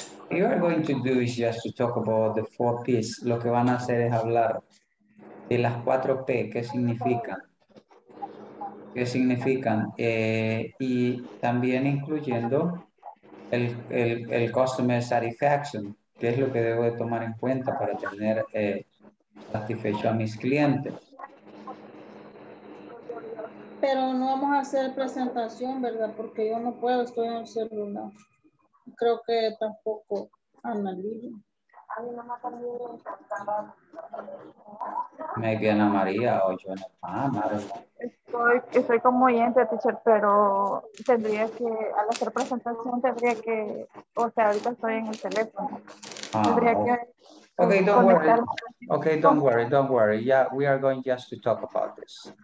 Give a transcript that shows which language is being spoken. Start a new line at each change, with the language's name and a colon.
English: You are going to do is just to talk about the four P's.
Spanish: Lo que van a hacer es hablar de las cuatro P. ¿Qué significa? Qué significan, y también incluyendo el
English: customer satisfaction,
Spanish: que es lo que debo de tomar en cuenta para tener satisfecho a mis clientes. Pero no vamos a hacer presentación, ¿verdad? Porque yo no puedo, estoy en el celular. Creo que tampoco analizo. Me queda María o yo no puedo. Estoy como oyente, teacher, pero tendría que, al hacer presentación, tendría que, o sea, ahorita estoy en el teléfono.
English: Ah, don't worry. Yeah, we are going just to talk about this.